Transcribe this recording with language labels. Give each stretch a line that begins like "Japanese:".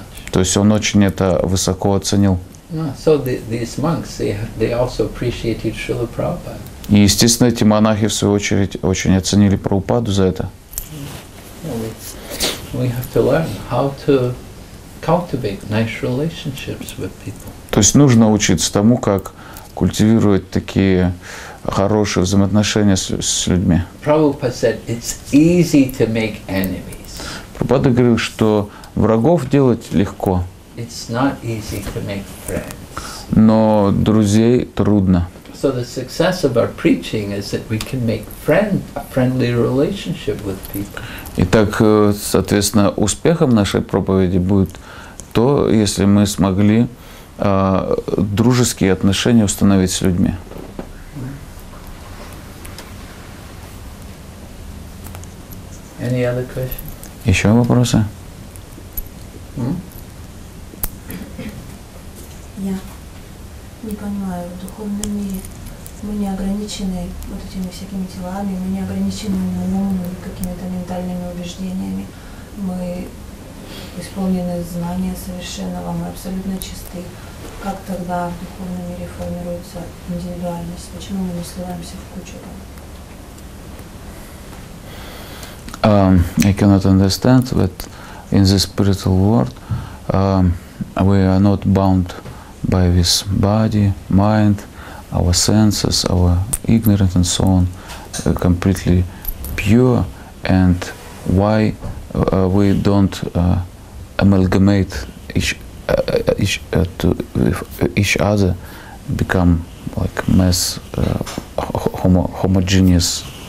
Russian: То есть он очень это высоко оценил. И, естественно, эти монахи, в свою очередь, очень оценили Прабхупаду за это.
English: We have to learn how to cultivate nice relationships with people.
Russian: То есть нужно учиться тому, как культивировать такие хорошие взаимоотношения с людьми.
English: Prabhupada said it's easy to make enemies.
Russian: Прабхупада говорил, что врагов делать легко.
English: It's not easy to make friends.
Russian: Но друзей трудно.
English: So the success of our preaching is that we can make a friendly relationship with people.
Russian: Итак, соответственно, успехом нашей проповеди будет то, если мы смогли дружеские отношения установить с людьми.
English: Any other questions?
Russian: Еще вопросы? Я. Не понимаю, в духовном мире мы не ограничены вот этими всякими телами, мы не ограничены умом и какими-то ментальными убеждениями. Мы исполнены знания совершенного, мы абсолютно чисты. Как тогда в духовном мире формируется индивидуальность? Почему мы не сливаемся в кучу там?
English: I cannot understand, but in the spiritual world we are not bound by this body, mind, our senses, our ignorance and so on, completely pure, and why we don't amalgamate each other, become like mass, homogeneous